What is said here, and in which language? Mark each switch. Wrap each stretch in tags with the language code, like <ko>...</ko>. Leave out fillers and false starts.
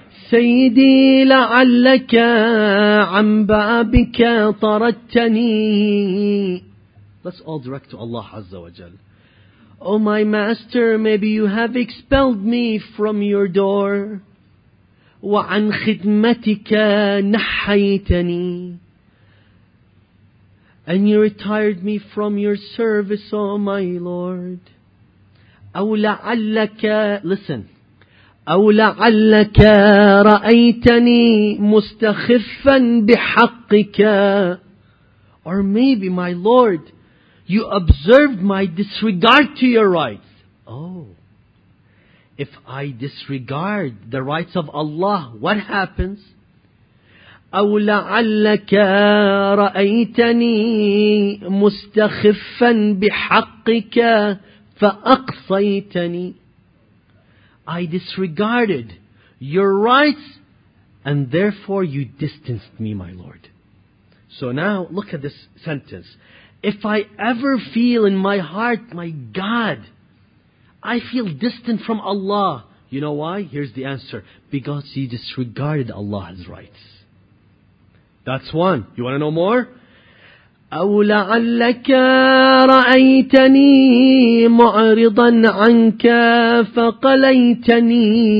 <ar>سيدي لعلك عن بابك طردتني.</ar> <en>Let's all direct to Allah Azza wa Jal. Oh my master, maybe you have expelled me from your door.</en> <ar>وعن خدمتك نحيتني.</ar> <en>And you retired me from your service, oh my Lord.</en> <ar>أو لعلك,</ar> <en>listen.</en> <ar>أو لعلك رأيتني مستخفا بحقك.</ar> <en>Or maybe, my Lord, you observed my disregard to your rights. Oh, if I disregard the rights of Allah, what happens?</en> <ar>أو لعلك رأيتني مستخفا بحقك فأقصيتني.</ar> <en>I disregarded your rights and therefore you distanced me, my Lord. So now look at this sentence. If I ever feel in my heart, my God, I feel distant from Allah. You know why? Here's the answer. Because you disregarded Allah's rights. That's one. You want to know more?</en> <ar>أو لعلك رأيتني معرضا عنك فقليتني.</ar>